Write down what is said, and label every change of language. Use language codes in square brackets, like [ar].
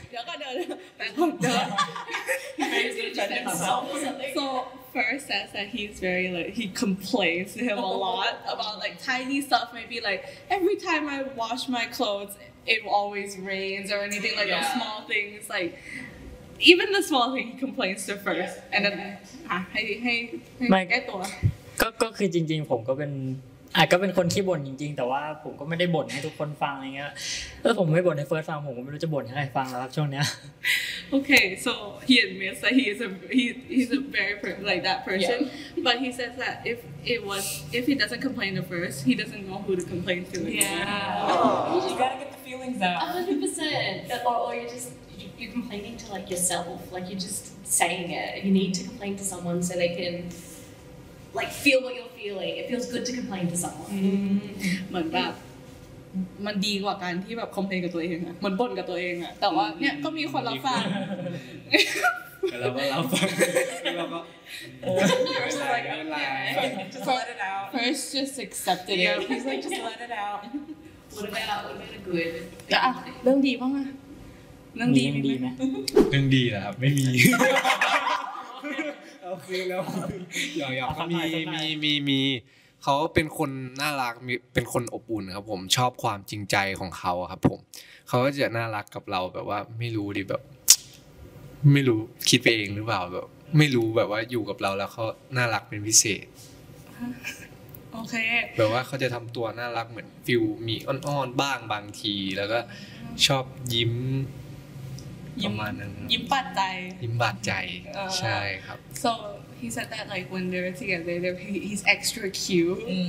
[th] เดี๋ยวก็เดิน [en] so first says that he's very like he complains to him a lot about like tiny stuff maybe like every time I wash my clothes it always rains or anything like those small things like even the small thing he complains to first and then [th] ให้แก้ตัว ก็คือจริงๆผมก็เป็นอ่ะก็เป็นคนขี้บ่นจริงๆแต่ว่าผมก็ไม่ได้บ่นให้ทุกคนฟังอะไรเงี้ยถ้าผมไม่บ่นให้เฟิร์สฟังผมก็ไม่รู้จะบ่นให้ใครฟังแล้วครับช่วงเนี้ย [en] โอเค so he admits that he's a very like that person yeah. but he says that if he doesn't complain to first he doesn't know who to complain to yeah you gotta get the feelings out 100% or you're complaining to like yourself like you're just saying it you need to complain to someone so they canLike feel what you're feeling. It feels good to complain to someone. [th] เหมือนแบบมันดีกว่าการที่แบบคอมเพลนกับตัวเองอะเหมือนบ่นกับตัวเองอะแต่ว่าเนี่ยก็มีคนรับฟัง แล้วก็เราฟัง แล้วก็โอ้ [en] just let it out first just accept it yeah he's like just let it out would have been a good [th] เรื่องดีป่ะเรื่องดีมั้ย เรื่องดีเหรอครับไม่มี โอเคแล้ว อย่าๆก็มีเขาเป็นคนน่ารักเป็นคนอบอุ่นครับผมชอบความจริงใจของเขาครับผมเขาก็จะน่ารักกับเราแบบว่าไม่รู้ดิแบบไม่รู้คิดไปเองหรือเปล่าแบบไม่รู้แบบว่าอยู่กับเราแล้วเขาน่ารักเป็นพิเศษ โอเค แบบว่าเขาจะทําตัวน่ารักเหมือนฟิลมีอ่อนๆบ้างบางทีแล้วก็ชอบยิ้มประมาณนึง ยิ้มปัดใจ ยิ้มปัดใจใช่ครับ [en] soHe said that like when they're together, he's extra cute.